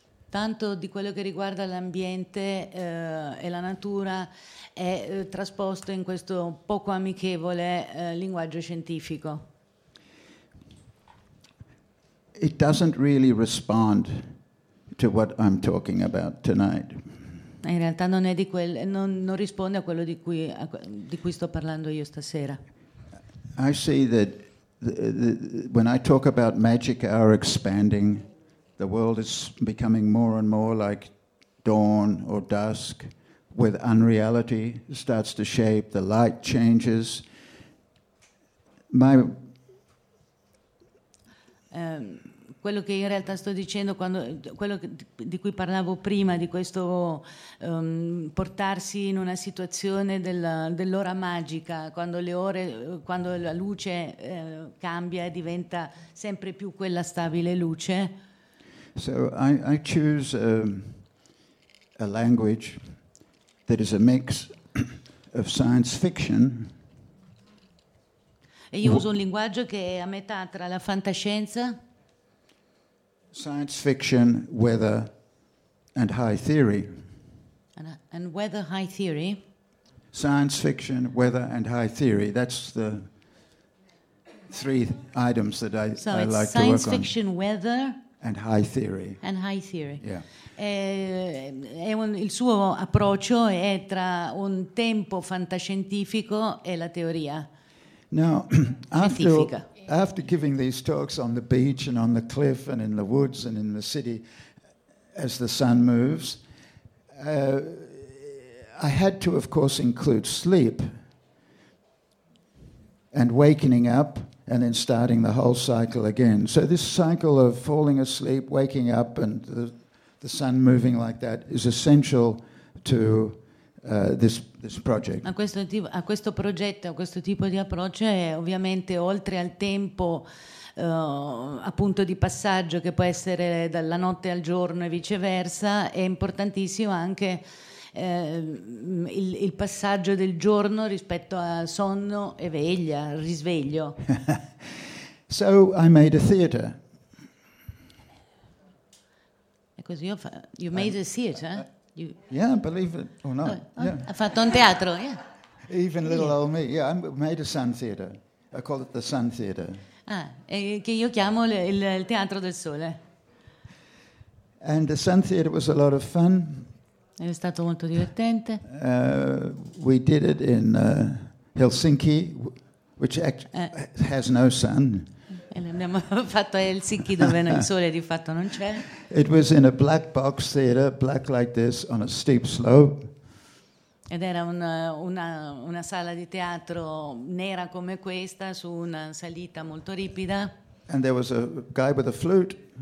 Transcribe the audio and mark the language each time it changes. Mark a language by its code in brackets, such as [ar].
[it] Tanto di quello che riguarda l'ambiente e la natura è trasposto in questo poco amichevole linguaggio scientifico. [en] It doesn't really respond to what I'm talking about tonight. [it] In realtà non è di quel non risponde a quello di cui sto parlando io stasera. [en] I see that the when I talk about magic hour expanding, the world is becoming more and more like dawn or dusk, with unreality starts to shape, the light changes. [it] Quello che in realtà sto dicendo, quello di cui parlavo prima, di questo portarsi in una situazione dell'ora magica, quando la luce cambia e diventa sempre più quella stabile luce. [en] So I choose a language that is a mix of science fiction. [it] E io uso un linguaggio che è a metà tra la fantascienza, [en] science fiction, weather, and high theory. And weather, high theory. Science fiction, weather, and high theory. That's the three items that I like to work on. So it's science fiction, weather, and high theory. And high theory. Yeah. [it] Il suo approccio è tra un tempo fantascientifico e la teoria. [en] Now, after giving these talks on the beach and on the cliff and in the woods and in the city as the sun moves, I had to, of course, include sleep and waking up and then starting the whole cycle again. So this cycle of falling asleep, waking up, and the sun moving like that is essential to this project. [it] A questo tipo di approccio è ovviamente, oltre al tempo appunto di passaggio che può essere dalla notte al giorno e viceversa, è importantissimo anche il passaggio del giorno rispetto a sonno e veglia, risveglio. [en] So I made a theater. Because you made a theater. Yeah, believe it or not. [it] Ha fatto un teatro, yeah. [en] Even little old me. Yeah, I made a sun theater. I call it the sun theater. [it] Che io chiamo il teatro del sole. [en] And the sun theater was a lot of fun. [it] È stato molto divertente. [en] We did it in Helsinki, which has no sun. [it] L'abbiamo fatto a Helsinki, dove il sole di fatto non c'è. [en] It was in a black box theater, black like this, on a steep slope. [it] Ed era una sala di teatro nera come questa, su una salita molto ripida. [en] And there was a guy with a flute.